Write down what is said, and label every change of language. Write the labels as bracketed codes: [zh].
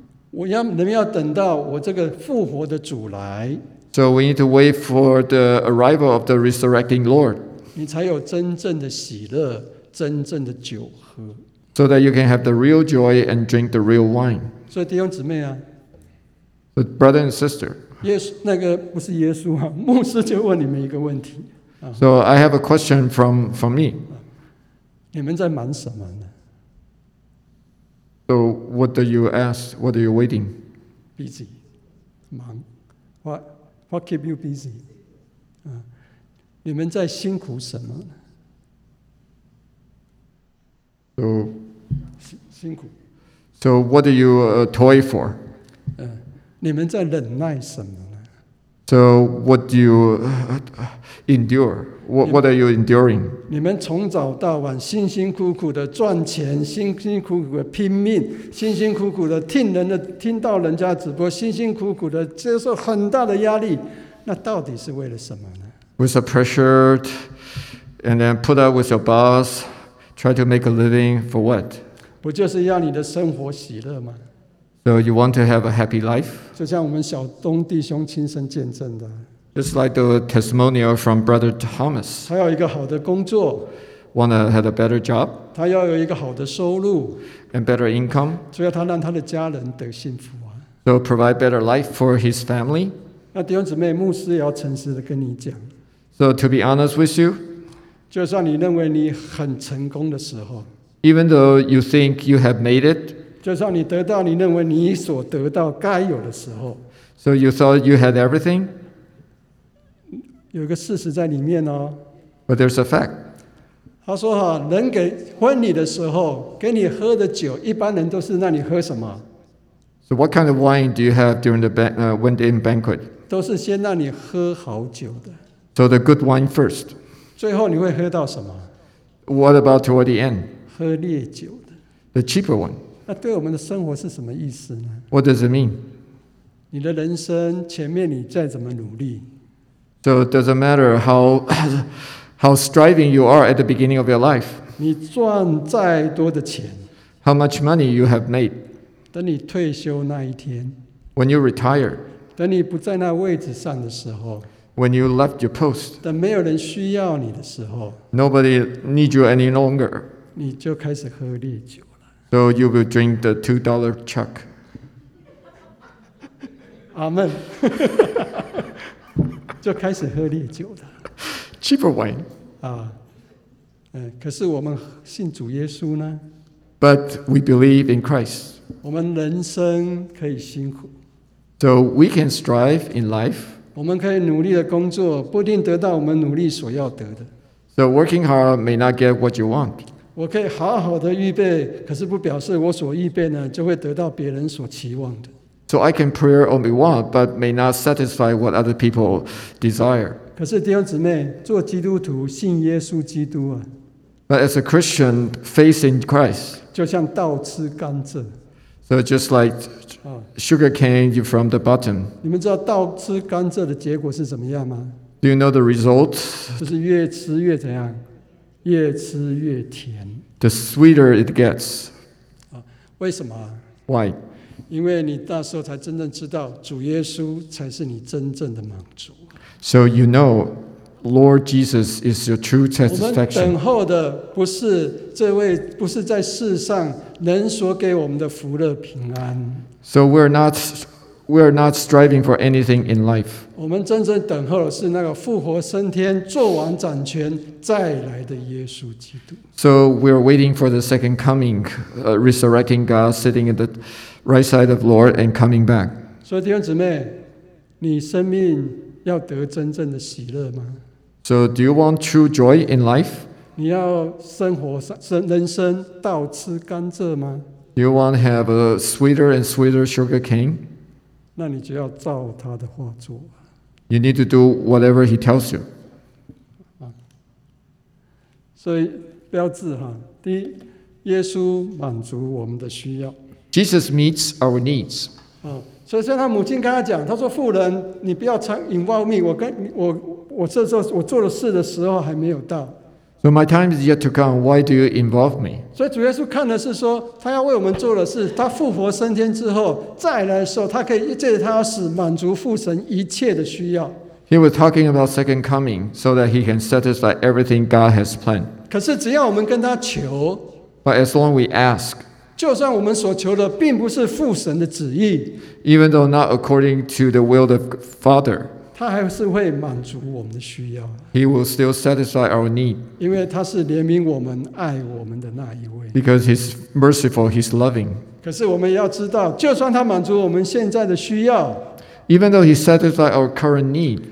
[zh] 我要人们要等到我这个复活的主来。 [en] So we need to wait for the arrival of the resurrecting Lord. [zh] 你才有真正的喜乐。真正的酒喝 [en] ，so that you can have the real joy and drink the real wine. [zh] 所以弟兄姊妹啊 [en] ，the brother and sister. [zh] 耶稣那个不是耶稣啊，牧师就问你们一个问题。 [en] So I have a question from me. [zh] 你们在忙什么呢 [en] ？So what do you ask? What are you waiting? Busy, 忙。What keep you busy? [zh] 你们在辛苦什么？ [en] So, [zh] 辛苦。 [en] So, what are you toy for? [zh] 你们在忍耐什么呢？ [en] So what do you endure? What are you enduring? [zh] 你们从早到晚辛辛苦苦的赚钱，辛辛苦苦的拼命，辛辛苦苦的听人的听到人家直播，辛辛苦苦的接受很大的压力，那到底是为了什么呢？ [en] With the pressure, and then put up with your boss, try to make a living for what? [zh] 不就是要你的生活喜乐吗？ [en] So you want to have a happy life? [zh] 就像我们小东弟兄亲身见证的。 [en] Just like the testimonial from Brother Thomas. [zh] 他要一个好的工作。 [en] Want to have a better job? [zh] 他要有一个好的收入。 [en] And better income? [zh] 所以他让他的家人得幸福啊。 [en] So provide better life for his family? [zh] 那弟兄姊妹，牧师也要诚实的跟你讲。 [en] So to be honest with you? [zh] 就算你认为你很成功的时候。 [en] Even though you think you have made it? [zh] 就算你得到你认为你所得到该有的时候 [en] So you thought you had everything? [zh] 有个事实在里面哦 [en] But there's a fact [zh] 他说哈，人给婚礼的时候给你喝的酒一般人都是让你喝什么 [en] So what kind of wine do you have during the wedding banquet? [zh] 都是先让你喝好酒的 [en] So the good wine first [zh] 最后你会喝到什么 [en] What about toward the end? [zh] 喝烈酒的 [en] The cheaper one [zh] 那对我们的生活是什么意思呢 [en] ？What does it mean？ [zh] 你的人生前面你再怎么努力 [en] ，So it doesn't matter how striving you are at the beginning of your life。 [zh] 你赚再多的钱 [en] ，How much money you have made？ [zh] 等你退休那一天 [en] ，When you retire， [zh] 等你不在那位置上的时候 [en] ，When you left your post， [zh] 等没有人需要你的时候 [en] ，Nobody needs you any longer， [zh] 你就开始喝烈酒。 [en] So you will drink the $2 chuck. Amen. [zh] 就开始喝烈酒了。 [en] Cheaper wine. [zh] 可是我们信主耶稣呢 [en] ？But we believe in Christ. [zh] 我们人生可以辛苦。 [en] So we can strive in life. [zh] 我们可以努力的工作，不一定得到我们努力所要得的。 [en] So working hard may not get what you want. [zh] 我可以好好的预备，可是不表示我所预备呢就会得到别人所期望的。 [en] So I can prepare only one, but may not satisfy what other people desire. [zh] 可是弟兄姊妹，做基督徒信耶稣基督啊。 [en] But as a Christian facing Christ, [zh] 就像倒吃甘蔗。 [en] So just like sugar cane from the bottom. [zh] 你们知道倒吃甘蔗的结果是怎么样吗 [en] ？Do you know the result? [zh] 就是越吃越怎样？越吃越甜 [en] The sweeter it gets [zh] 为什么 [en] Why [zh] 因为你那时候才真正知道主耶稣才是你真正的满足 [en] So you know Lord Jesus is your true satisfaction [zh] 我们等候的不是这位不是在世上人所给我们的福乐平安 [en] So we're not striving for anything in life. [zh] 我们真正等候的是那个复活升天、做完掌权再来的耶稣基督。 [en] So we're waiting for the second coming, resurrecting God, sitting at the right side of Lord and coming back. [zh] 所以弟兄姊妹，你生命要得真正的喜乐吗 [en] ？So do you want true joy in life? [zh] 你要生活上、人生倒吃甘蔗吗 [en] ？Do you want to have a sweeter and sweeter sugar cane? [zh] 那你就要照他的话做。 [en] You need to do whatever he tells you. [zh] 所以标志哈，第一，耶稣满足我们的需要。 [en] Jesus meets our needs. [zh] 所以像他母亲跟他讲，他说：“妇人，你不要常 [en] involve me. [zh] 我这时候我做的事的时候还没有到。” [en] So my time is yet to come. Why do you involve me? [zh] 所以主耶稣看的是说，他要为我们做的是，他复活升天之后再来的时候，他可以借着他的死满足父神一切的需要。 [en] He was talking about second coming so that he can satisfy everything God has planned. [zh] 可是只要我们跟他求 [en] ，But as long we ask, [zh] 就算我们所求的并不是父神的旨意 [en] ，Even though not according to the will of Father. [zh] 他还是会满足我们的需要。 [en] He will still satisfy our need. [zh] 因为他是怜悯我们、爱我们的那一位。 [en] Because he's merciful, he's loving. [zh] 可是我们要知道，就算他满足我们现在的需要 [en] ，Even though he satisfies our current need.